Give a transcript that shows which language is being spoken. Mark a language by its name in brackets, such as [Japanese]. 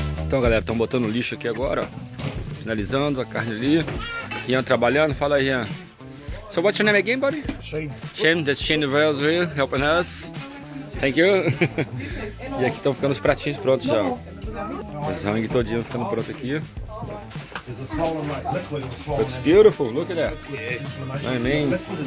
[Portuguese] Galera, estão botando lixo aqui agora, ó. Finalizando a carne ali. Ian trabalhando, fala aí, Ian. [English] So what's your name again, buddy? Shane. Shane, that's Shane Wells here, helping us. Thank you. [Portuguese] E aqui estão ficando os pratinhos prontos já. Os hang todinho ficando pronto aqui. [English] Looks beautiful, look at that. I mean.